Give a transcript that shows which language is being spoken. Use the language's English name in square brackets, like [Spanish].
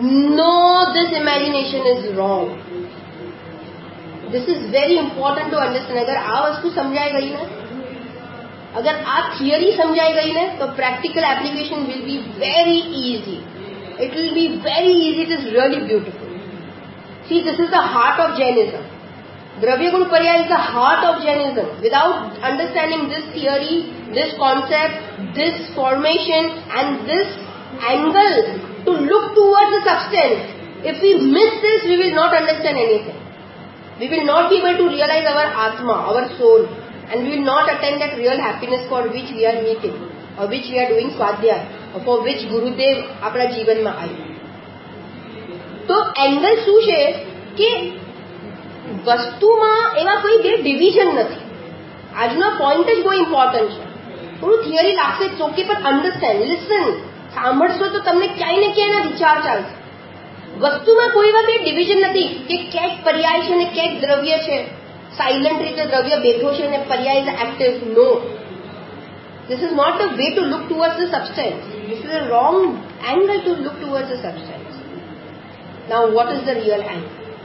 [English] No, this imagination is wrong. This is very important to understand. [Gujarati] અગર આ વસ્તુ સમજાઈ ગઈ ને, અગર આ થિયરી સમજાઈ ગઈ ને, તો practical application [English] Will be very easy. It will be very easy. It is really beautiful. See, this is the heart of Jainism. Dravyagun Parya is the heart of Jainism. Without understanding this theory, this concept, this formation and this angle to look towards the substance, if we miss this, we will not understand anything. We will not be able to realize our Atma, our soul, and we will not attain that real happiness for which we are meeting or which we are doing Swadhyaya. For which [Gujarati] ગુરુદેવ આપણા જીવનમાં આવ્યું. તો angle શું છે કે વસ્તુમાં એવા કોઈ બે ડિવિઝન નથી. આજનો પોઈન્ટ જ બહુ ઇમ્પોર્ટન્ટ છે. થોડું થિયરી લાગશે, ચોકી પર અન્ડરસ્ટેન્ડ, લિસન, સાંભળશો તો તમને ક્યાંય ને ક્યાંય ના વિચાર ચાલશે. વસ્તુમાં કોઈ એવા બે ડિવિઝન નથી કે ક્યાંક પર્યાય છે ને ક્યાંક દ્રવ્ય છે. સાયલન્ટ રીતે દ્રવ્ય બેઠો છે અને પર્યાય [English] Is active. No, this is not the way to look towards the substance. This is a wrong angle to look towards the substance. Now what is the real angle?